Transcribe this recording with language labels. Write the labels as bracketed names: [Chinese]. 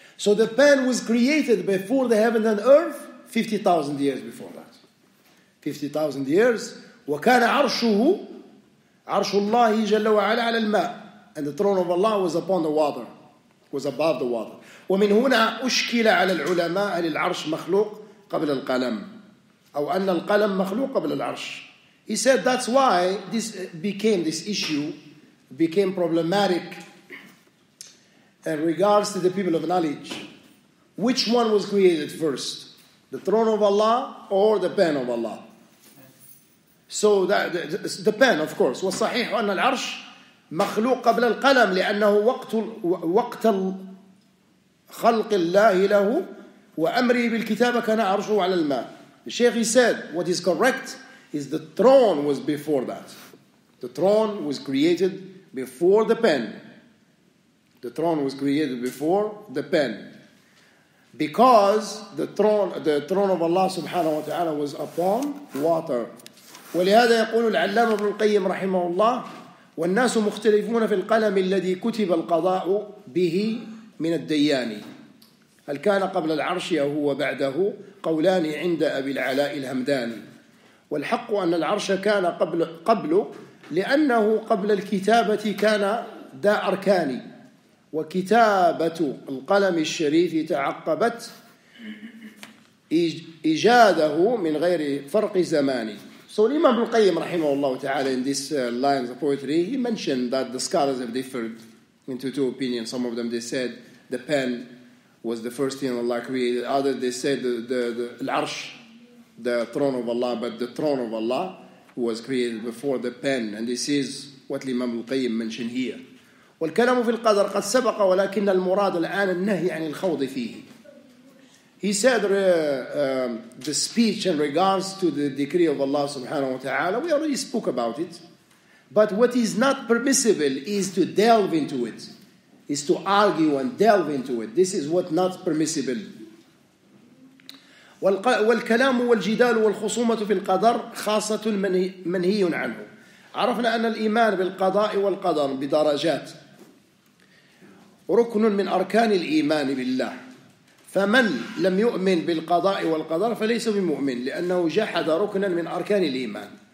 [English] So the pen was created before the heaven and earth 50,000 years before that. 50,000 years. [Arabic] وَكَانَ عَرْشُهُ عَرْشُ اللَّهِ جَلَّ وَعَلَى عَلَى الْمَاءِ. [English] And the throne of Allah was upon the water, was above the water. [Arabic] ومن هنا أشكل على العلماء للعرش مخلوق قبل القلم أو أن القلم مخلوق قبل العرش. [English] He said that's why this issue became problematic in regards to the people of knowledge. Which one was created first, the throne of Allah or the pen of Allah? So the pen, of course. [Arabic] والصحيح أن العرش مخلوق قبل القلم لأنه وقت خلق الله له وأمره بالكتابة كان عرشه على الماء. [English] The Sheikh, he said, what is correct is the throne was before that. The throne was created before the pen. The throne was created before the pen. Because the throne of Allah subhanahu wa ta'ala was upon water. [Arabic] ولهذا يقول العلامة ابن القيم رحمه الله والناس مختلفون في القلم الذي كتب القضاء به من الدياني هل كان قبل العرش أو هو بعده قولان عند أبي العلاء الهمداني والحق أن العرش كان قبله لأنه قبل الكتابة كان دا أركاني وكتابة القلم الشريف تعقبت إيجاده من غير فرق زماني. [English] So Imam Al-Qayyim rahimahullah ta'ala, in this lines of poetry, he mentioned that the scholars have differed into two opinions. Some of them, they said the pen was the first thing Allah created. Others, they said the al-arsh, the throne of Allah, but the throne of Allah was created before the pen. And this is what Imam Al-Qayyim mentioned here. [Arabic] والكلام في القدر قد سبق ولكن المراد الآن النهي عن الخوض فيه. [English] He said the speech in regards to the decree of Allah subhanahu wa ta'ala, we already spoke about it. But what is not permissible is to delve into it, is to argue and delve into it. This is what not permissible. [Arabic] والكلام والجدال والخصومة في القدر خاصة منهي عنه. عرفنا أن الإيمان بالقضاء والقدر بدرجات ركن من أركان الإيمان بالله. فمن لم يؤمن بالقضاء والقدر فليس بمؤمن لأنه جحد ركنا من أركان الإيمان.